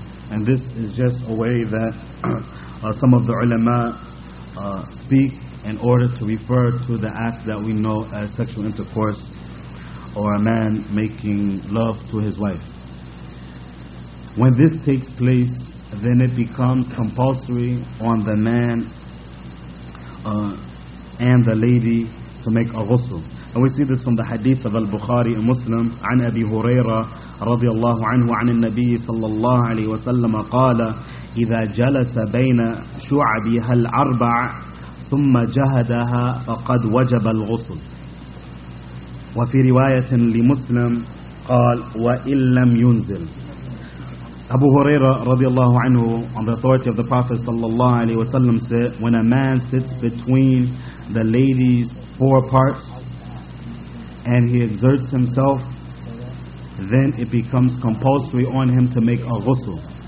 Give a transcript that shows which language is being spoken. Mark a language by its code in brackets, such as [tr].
[en] And this is just a way that some of the ulama speak in order to refer to the act that we know as sexual intercourse, or a man making love to his wife. When this takes place, then it becomes compulsory on the man and the lady to make a ghusl. And we see this from the hadith of Al-Bukhari and Muslim, [ar] عن أبي هريرة رضي الله عنه عن النبي صلى الله عليه وسلم قال إذا جلس بين شعبها الأربع ثم جهدها فقد وجب الغسل. وفي رواية لمسلم قال وإن لم ينزل. [en] Abu Huraira radiallahu anhu, on the authority of the Prophet sallallahu alayhi wa sallam, said, when a man sits between the lady's four parts and he exerts himself, then it becomes compulsory on him to make a ghusl.